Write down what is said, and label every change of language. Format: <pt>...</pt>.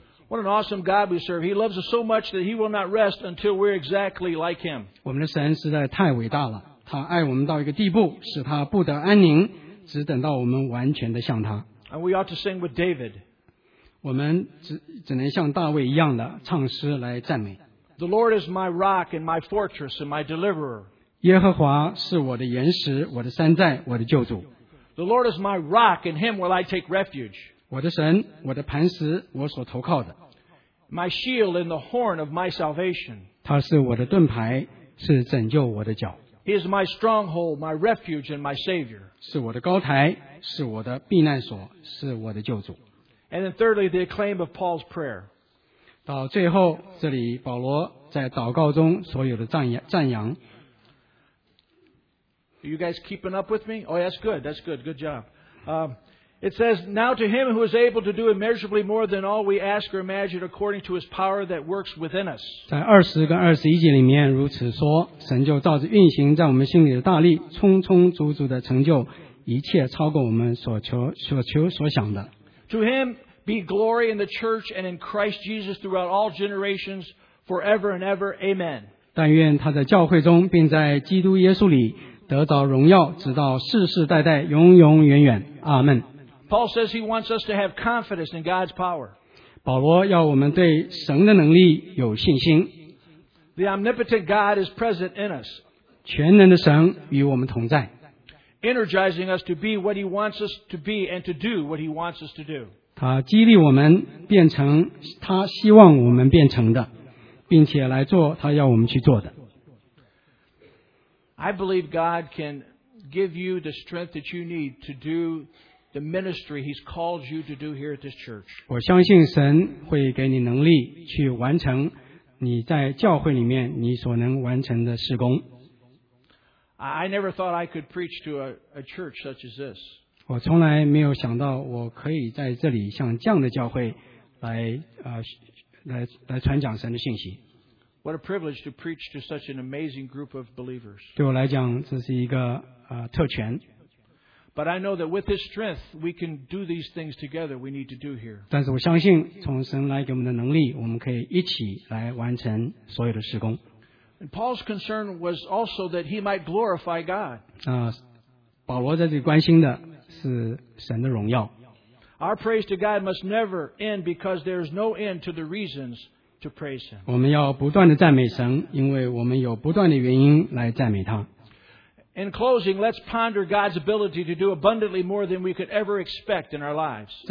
<en>What an awesome God we serve. He loves us so much that he will not rest until we're exactly like him.</en> <zh>我们的神实在太伟大了，他爱我们到一个地步使他不得安宁，只等到我们完全的像他。</zh> <en>And we ought to sing with David.</en> <zh>我们 只能像大卫一样的唱诗来赞美。</zh> <en>The Lord is my rock and my fortress and my deliverer.</en> <zh>耶和华是我的岩石，我的山寨，我的救主。</zh> <en>The Lord is my rock, in him will I take refuge.</en> <zh>我的神，我的磐石，我所投靠的。</zh> <en>My shield and the horn of my salvation.</en> <zh>他是我的盾牌，是拯救我的脚。</zh> <en>He is my stronghold, my refuge and my savior.</en> <zh>是我的高台，是我的避难所，是我的救主。</zh> <en>And then thirdly, the acclaim of Paul's prayer.</en> <zh>到最后，这里保罗在祷告中所有的赞扬。</zh> <en>Are you guys keeping up with me? Oh, that's good. That's good. Good job. It says, Now to him who is able to do immeasurably more than all we ask or imagine according to his power that works within us.</en> <zh>在二十跟二十一节里面如此说，神就照着运行在我们心里的大力，充充足足的成就一切超过我们所求所想的。</zh> <en>To him,Be glory in the church and in Christ Jesus throughout all generations, forever and ever. Amen.</en> <zh>但愿他在教会中，并在基督耶稣里得到荣耀，直到世世代代，永永远远。阿门。</zh> <en>Paul says he wants us to have confidence in God's power.</en> <zh>保罗要我们对神的能力有信心。</zh> <en>The omnipotent God is present in us.</en> <zh>全能的神与我们同在。</zh> <en>Energizing us to be what he wants us to be and to do what he wants us to do.</en> <zh>他激励我们变成他希望我们变成的，并且来做他要我们去做的。</zh> <en>I believe God can give you the strength that you need to do the ministry He's called you to do here at this church.</en> <zh>我相信神会给你能力去完成你在教会里面你所能完成的事工。</zh> <en>I never thought I could preach to a church such as this.</en> <zh>我从来没有想到我可以在这里像这样的教会来传讲神的信息。</zh> <en>What a privilege to preach to such an amazing group of believers.</en> <zh>对我来讲，这是一个特权。</zh> <en>But I know that with His strength, we can do these things together we need to do here.</en> <zh>但是我相信，从神来给我们的能力，我们可以一起来完成所有的事工。</zh> <en>And Paul's concern was also that he might glorify God.</en> <zh>保罗在这里关心的是神的荣耀。</zh> <en>Our praise to God must never end because there is no end to the reasons to praise Him.</en> <zh>我们要不断地赞美神，因为我们有不断的原因来赞美他。</zh> <en>In closing, let's ponder God's ability to do abundantly more than we could ever expect in our lives.</en>